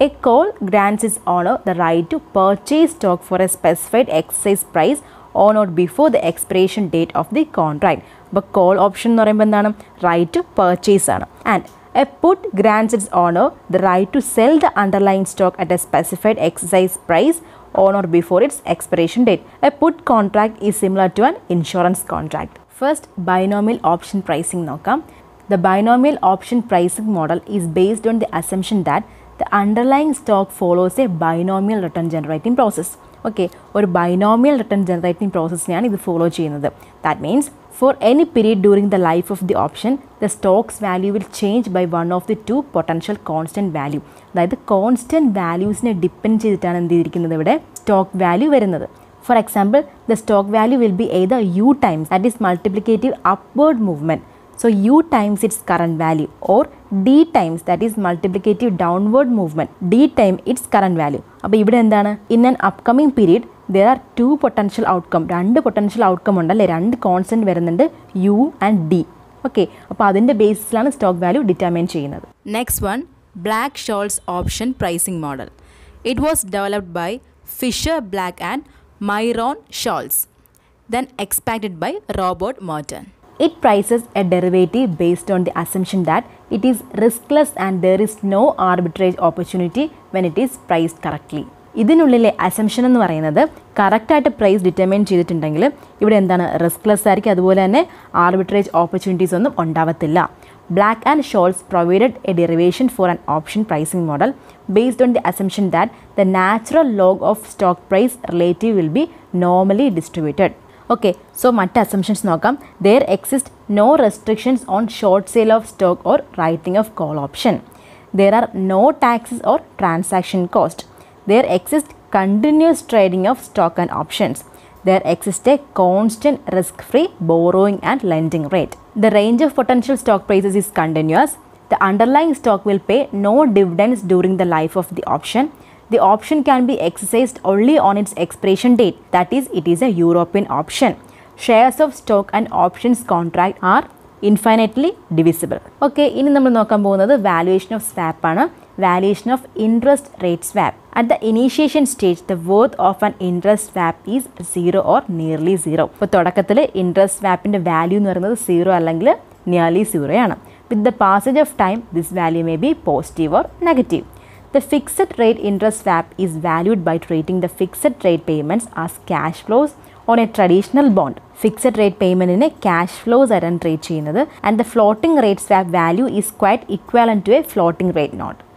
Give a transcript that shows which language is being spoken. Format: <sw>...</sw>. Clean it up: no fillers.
<en>A call grants its owner the right to purchase stock for a specified exercise price on or before the expiration date of the contract.</en> <ml>അപ്പോൾ call option എന്ന് പറയുമ്പോൾ എന്താണ്? Right to purchase ആണ്.</ml> <en>And a put grants its owner the right to sell the underline stock at a specified exercise price on or before its expiration date. A put contract is similar to an insurance contract. First,</en> <ml>binomial option pricing nokkam.</ml> <en>The binomial option pricing model is based on the assumption that the underlying stock follows a binomial return generating process. Okay, or binomial return generating process</en> <ml>nan idu follow cheynathu.</ml> <en>That means for any period during the life of the option, the stock's value will change by one of the two potential constant value.</en> <ml>അതായത് constant വാല്യൂസിനെ depend ചെയ്തിട്ടാണ് എന്ത് ചെയ്തിരിക്കുന്നത്? ഇവിടെ stock value വരുന്നത്.</ml> <en>For example, the stock value will be either u times, that is multiplicative upward movement, so u times its current value, or d times, that is multiplicative downward movement, d time its current value.</en> <ml>അപ്പോൾ ഇവിടെ എന്താണ്?</ml> <en>in an upcoming period there are two potential outcome,</en> <ml>രണ്ട് potential outcome ഉണ്ടല്ലേ, രണ്ട് constant വരുന്നുണ്ട്, you and D. Okay, അപ്പോൾ അതിൻ്റെ ബേസിസിലാണ് stock value determine ചെയ്യുന്നത്.</ml> <en>Next one, Black Scholes option pricing model. It was developed by Fisher Black and Myron Scholes, then expanded by Robert Merton. It prices a derivative based on the assumption that it is riskless and there is no arbitrage opportunity when it is priced correctly.</en> <ml>ഇതിനുള്ളിലെ assumption എന്ന് പറയുന്നത് കറക്റ്റായിട്ട് price determine ചെയ്തിട്ടുണ്ടെങ്കിൽ ഇവിടെ എന്താണ്? Riskless ആയിരിക്കും, അതുപോലെ തന്നെ arbitrage opportunities ഒന്നും ഉണ്ടാവത്തില്ല.</ml> <en>Black and Scholes provided a derivation for an option pricing model based on the assumption that the natural log of stock price relative will be normally distributed.</en> <ml>Okay, so മറ്റ് assumptions നോക്കാം.</ml> <en>There exist no restrictions on short sale of stock or writing of call option. There are no taxes or transaction cost. There exists continuous trading of stock and options. There exists a constant risk-free borrowing and lending rate. The range of potential stock prices is continuous. The underlying stock will pay no dividends during the life of the option. The option can be exercised only on its expiration date. That is, it is a European option. Shares of stock and options contract are infinitely divisible.</en> <ml>Okay, ഇനി നമ്മൾ നോക്കാൻ പോകുന്നത് valuation of swap ആണ്. Valuation of interest rate swap.</ml> <en>At the initiation stage the worth of an interest swap is zero or nearly zero.</en> <ml>ഇപ്പോൾ തുടക്കത്തിൽ interest സ്വാപ്പിൻ്റെ value എന്ന് പറയുന്നത് zero അല്ലെങ്കിൽ നിയർലി സീറോ ആണ്.</ml> <en>With the passage of time this value may be positive or negative. The fixed rate interest swap is valued by treating the fixed rate payments as cash flows on a traditional bond, fixed rate payment in a cash flows are entered, and the floating rate swap value is quite equivalent to a floating rate note.</en>